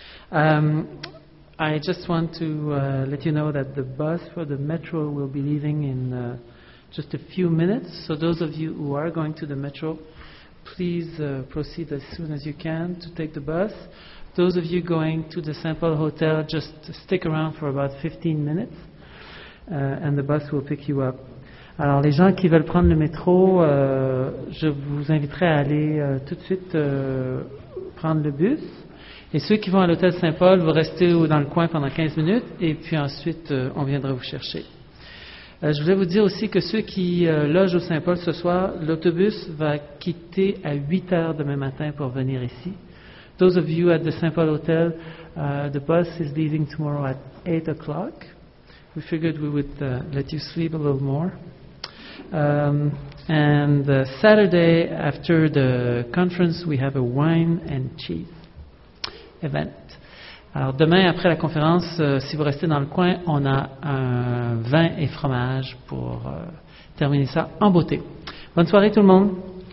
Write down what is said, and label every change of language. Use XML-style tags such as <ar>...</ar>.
<en>I just want to let you know that the bus for the metro will be leaving in just a few minutes. So those of you who are going to the metro, please proceed as soon as you can to take the bus. Those of you going to the Saint-Paul Hotel, just stick around for about 15 minutes, and the bus will pick you up.</en> <fr>Alors les gens qui veulent prendre le métro, je vous inviterai à aller tout de suite prendre le bus. Et ceux qui vont à l'hôtel Saint-Paul, vous restez dans le coin pendant 15 minutes, et puis ensuite, on viendra vous chercher. Je voulais vous dire aussi que ceux qui logent au Saint-Paul ce soir, l'autobus va quitter à 8 heures demain matin pour venir ici.</fr> <en>Those of you at the Saint-Paul Hotel, the bus is leaving tomorrow at 8 o'clock. We figured we would let you sleep a little more. And Saturday, after the conference, we have a wine and cheese event.</en> <fr>Alors demain, après la conférence, si vous restez dans le coin, on a un vin et fromage pour terminer ça en beauté. Bonne soirée tout le monde!</fr>